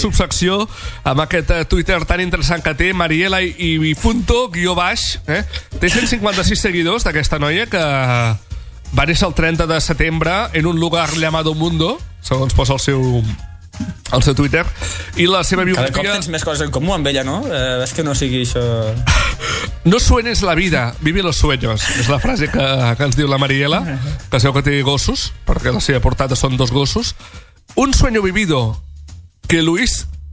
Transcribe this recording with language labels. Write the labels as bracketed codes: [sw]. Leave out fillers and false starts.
[ca] Subsecció amb aquest Twitter tan interessant que té, Mariela i punto, guió baix, eh? Té 156 seguidors d'aquesta noia que va néixer el 30 de setembre [es] en un lugar llamado Mundo, [ca] segons posa el seu Twitter, i la seva biografia... Cada cop tens més coses en comú amb ella, no? És que no sigui això... [es] No sueñes la vida, vive los sueños. [ca] És la frase que ens diu la Mariela, que sabeu que té gossos, perquè la seva portada són dos gossos. [es] Un sueño vivido que Luis